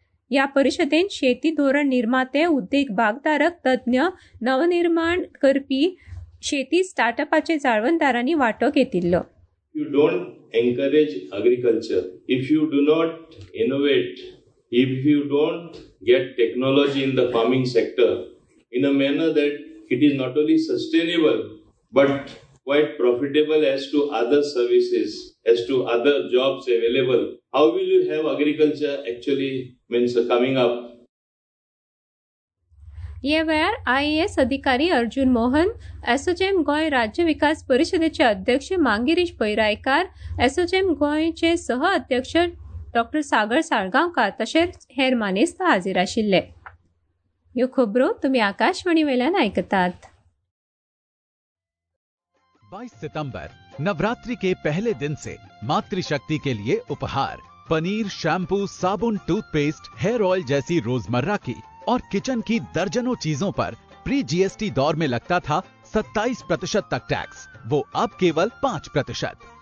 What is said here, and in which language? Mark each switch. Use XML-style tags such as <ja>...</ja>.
<gom>ह्या परिशदेन शेती धोरण निर्माते, उद्देग भागधारक, तज्ञ, नवनिर्माण करपी शेती स्टार्टअपाचे जाळवणदारांनी वांटो घेतिल्लो.</gom> <en>You don't encourage agriculture if you do not innovate, if you don't get technology in the farming sector in a manner that it is not only sustainable but quite profitable as to other services, as to other jobs available, how will you have agriculture actually means coming up?</en> <gom>ये वेळार IAS अधिकारी Arjun Mohan, SOCHM Goa राज्य विकास परिषदेचे अध्यक्ष Mangirish पैरायकार, SOCHM गोंयचे सह अध्यक्ष डॉ सागर साळगांवकार तशेंच हेर मानेस्त हाजीर आशिल्ले. ह्यो खबरो तुम्ही आकाशवाणी वेल्यान आयकतात.</gom> <hi>22 सितंबर नवरात्रि के पहले दिन से मातृशक्ति के लिए उपहार पनीर, शैम्पू, साबुन, टूथपेस्ट, हेयर ऑयल जैसी रोजमर्रा की और किचन की दर्जनों चीजों पर प्री जीएसटी दौर में लगता था 27% तक टैक्स, वो अब केवल 5%।</hi>